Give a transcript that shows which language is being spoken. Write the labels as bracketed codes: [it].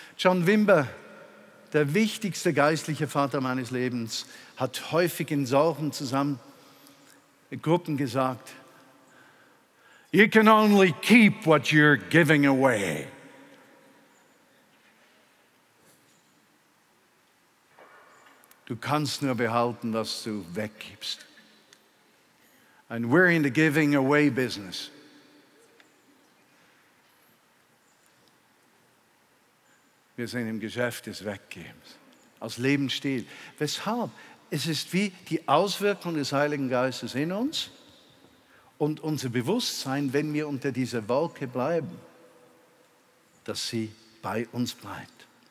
[de] John Wimber, der wichtigste geistliche Vater meines Lebens, hat häufig in solchen Zusammengruppen gesagt, [en] you can only keep what you're giving away. [de] Du kannst nur behalten, was du weggibst. [en] And we're in the giving away business. [de] Wir sind im Geschäft des Weggebens, aus Lebensstil. Weshalb? Es ist wie die Auswirkung des Heiligen Geistes in uns und unser Bewusstsein, wenn wir unter dieser Wolke bleiben, dass sie bei uns bleibt.